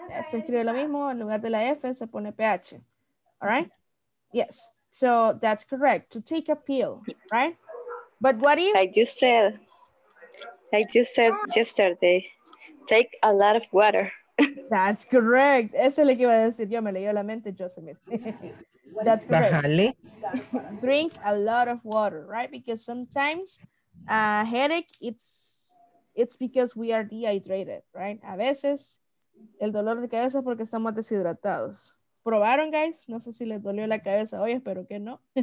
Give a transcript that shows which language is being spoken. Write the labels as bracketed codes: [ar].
[es] Se escribe lo mismo, en lugar de la F se pone PH. [en] All right? Yes. So that's correct, to take a pill, right? But what if... Like you said yesterday, take a lot of water. That's correct. [es] Eso es lo que iba a decir yo, me leyó la mente, Joseph. [en] That's correct. [es] Bajale. [en] Drink a lot of water, right? Because sometimes a headache, it's because we are dehydrated, right? [es] A veces el dolor de cabeza es porque estamos deshidratados. ¿Probaron, guys? No sé si les dolió la cabeza hoy, espero que no.